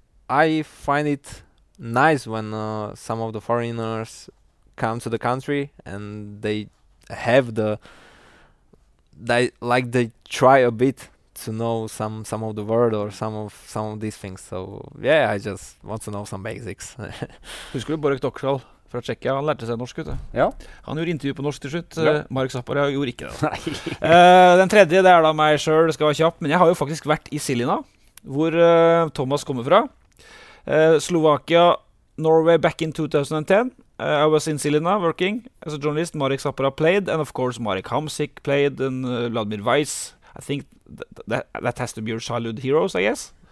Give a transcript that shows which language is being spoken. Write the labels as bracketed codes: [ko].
[en] I find it nice when some of the foreigners come to the country and they have they try a bit to know some of the word or some of these things. So yeah, I just want to know some basics. [no] Husker du Borek Dokshall fra Tjekkia? Han lærte seg norsk, vet du? Ja. Han gjorde intervju på norsk til slutt. Ja. Marek Zappara gjorde ikke det. Nei. den tredje, det da meg selv, det skal være kjapt, men jeg har jo faktisk vært I Silina. Hvor Thomas kommer fra Slovakia, [en] Norway back in 2010 I was in Silina working as a journalist Marek Zappara played And of course Marek Hamsik played And Vladimir Weiss I think that has to be your childhood heroes, I guess